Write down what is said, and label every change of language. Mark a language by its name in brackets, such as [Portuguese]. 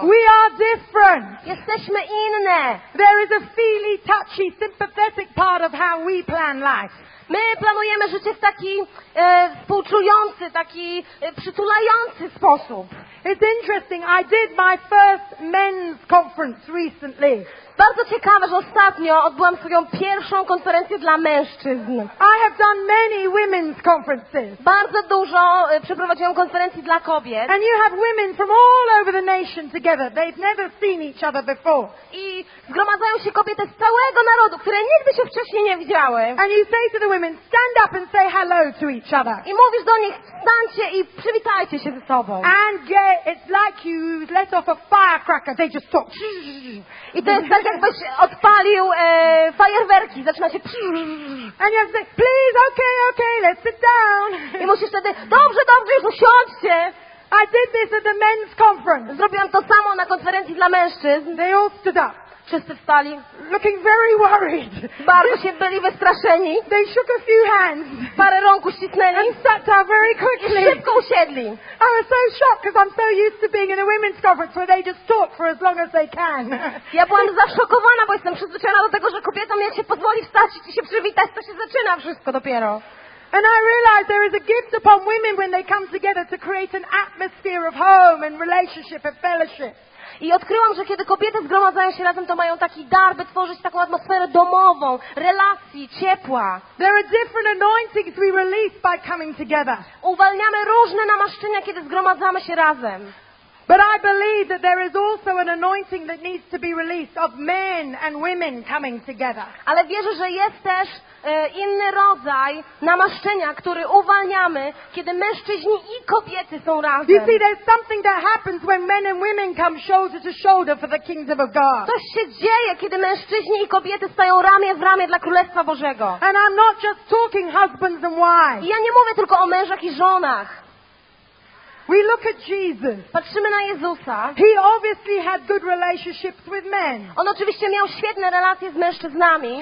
[English] We are different. [Polish] Jesteśmy inne. [English] There is a feely, touchy, sympathetic part of how we plan life. [Polish] My planujemy życie w taki współczujący, taki przytulający sposób. [English] It's interesting. I did my first men's conference recently. [Polish] Bardzo ciekawe, że ostatnio odbyłam swoją pierwszą konferencję dla mężczyzn. [English] I have done many women's conferences. [Polish] Bardzo dużo przeprowadziłam konferencji dla kobiet. [English] And you have women from all over the nation together. They've never seen each other before. [Polish] I zgromadzają się kobiety z całego narodu, które nigdy się wcześniej nie widziały. [English] And you say to the women, stand up and say hello to each other. [Polish] I mówisz do nich, stańcie i przywitajcie się ze sobą. [English] And yeah, it's like you let off a firecracker. They just talk. [Polish] I to jest tak, jakbyś odpalił fajerwerki. Zaczyna się... [English] And you have to say, please, okay, let's sit down. [Polish] I musisz wtedy, dobrze, już usiądźcie. [English] I did this at the men's conference. [Polish] Zrobiłam to samo na konferencji dla mężczyzn. [English] They all stood up. [Polish] Wszyscy wstali. [English] Looking very worried. [Polish] Bardzo się byli wystraszeni. [English] They shook a few hands. [Polish] Parę rąk uścisnęli. [English] And sat down very quickly. [Polish] I szybko usiedli. [English] I was so shocked because I'm so used to being in a women's conference where they just talk for as long as they can. [Polish] Ja byłam zaszokowana, bo jestem przyzwyczajona do tego, że kobietom jak się pozwoli wstać i się przywitać, to się zaczyna wszystko dopiero. [English] And I realize there is a gift upon women when they come together to create an atmosphere of home and relationship and fellowship. [Polish] I odkryłam, że kiedy kobiety zgromadzają się razem, to mają taki dar, by tworzyć taką atmosferę domową, relacji, ciepła. [English] There are different anointings we release by coming together. [Polish] Uwalniamy różne namaszczenia, kiedy zgromadzamy się razem. [English] But I believe that there is also an anointing that needs to be released of men and women coming together. [Polish] Ale wierzę, że jest też inny rodzaj namaszczenia, który uwalniamy, kiedy mężczyźni i kobiety są razem. [English] You see, there's something that happens when men and women come shoulder to shoulder for the kingdom of God. [Polish] Coś się dzieje, kiedy mężczyźni i kobiety stają ramię w ramię dla Królestwa Bożego. [English] And I'm not just talking husbands and wives. [Polish] Ja nie mówię tylko o mężach i żonach. [English] We look at Jesus. [Polish] Patrzymy na Jezusa. [English] He obviously had good relationships with men. [Polish] On oczywiście miał świetne relacje z mężczyznami.